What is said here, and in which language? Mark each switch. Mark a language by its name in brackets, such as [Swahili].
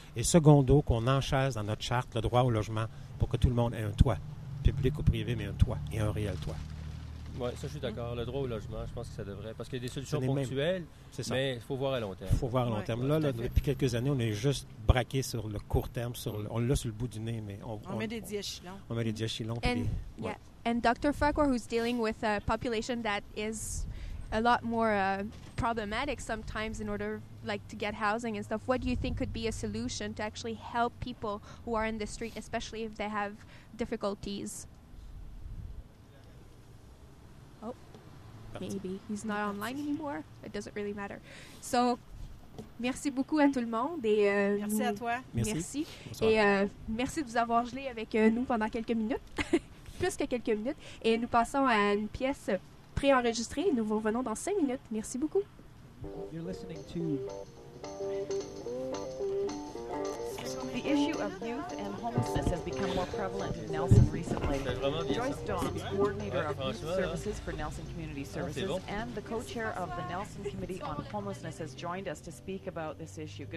[French] Et secondo, qu'on enchasse dans notre charte le droit au logement pour que tout le monde ait un toit, public ou privé, mais un toit et un réel toit. Oui, ça, je suis d'accord. Le droit au logement, je pense que ça devrait. Parce qu'il y a des solutions ponctuelles, c'est ça. Mais il faut voir à long terme. Il faut voir à long terme. Ouais, là, depuis quelques années, on est juste braqué sur le court terme. On l'a sur le bout du nez, mais on met des diachylons. On met des diachylons. [English] And Dr. Farquhar, who's dealing with a population that is a lot more problematic sometimes in order, like, to get housing and stuff, what do you think could be a solution to actually help people who are in the street, especially if they have difficulties? Oh, maybe. He's not online anymore. It doesn't really matter. [French] So, merci beaucoup à tout le monde. Et, merci à toi. Merci. Et merci de vous avoir gelé avec nous pendant quelques minutes. Plus que quelques minutes, et nous passons à une pièce préenregistrée. Nous vous revenons dans 5 minutes. Merci beaucoup. [English] You're listening to the issue of youth and homelessness has become more prevalent in Nelson recently. Joyce Dawn, coordinator of youth services for Nelson Community Services and the co-chair of the Nelson Committee on Homelessness, has joined us to speak about this issue.